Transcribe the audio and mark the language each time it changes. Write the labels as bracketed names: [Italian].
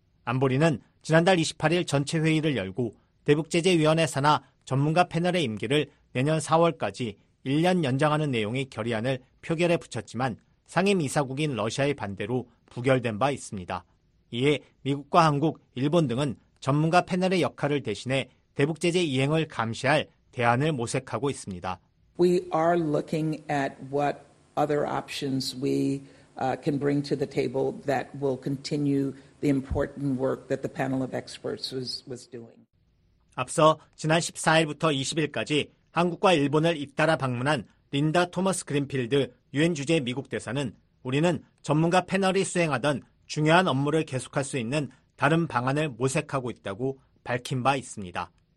[Korean] 안보리는 지난달 28일 전체 회의를 열고 대북제재위원회 산하 전문가 패널의 임기를 내년 4월까지 1년 연장하는 내용의 결의안을 표결에 붙였지만 상임이사국인 러시아의 반대로 부결된 바 있습니다. 이에 미국과 한국, 일본 등은 전문가 패널의 역할을 대신해 대북제재 이행을 감시할 대안을 모색하고 있습니다. [English] We are looking at what other options we can bring to the table that will continue the important work that the panel of experts was doing. [Korean] 앞서 지난 14일부터 20일까지 한국과 일본을 잇따라 방문한 린다 토마스 그린필드 유엔 주재 미국 대사는 우리는 전문가 패널이 수행하던 중요한 업무를 계속할 수 있는 다른 방안을 모색하고 있다고 밝힌 바 있습니다.